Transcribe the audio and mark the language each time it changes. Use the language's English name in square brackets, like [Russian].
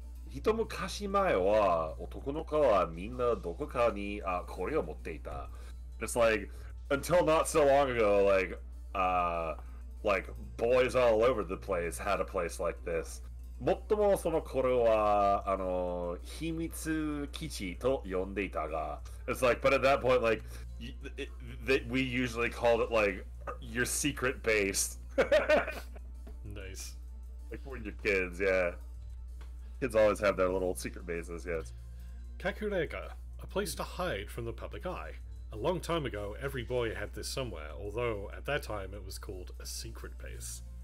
[Japanese] 人昔前は男の子はみんなどこかにあこれを持っていた。 [English] It's like, until not so long ago, like boys all over the place had a place like this. [Japanese] もっともその頃はあの秘密基地と呼んでいたが。 [English] It's like, but at that point, like, we usually called it like your secret base. Nice. Like when you're kids, yeah. Kids always have their little secret bases, yes. Kakurega, a place to hide from the public eye. A long time ago, every boy had this somewhere, although at that time it was called a secret base.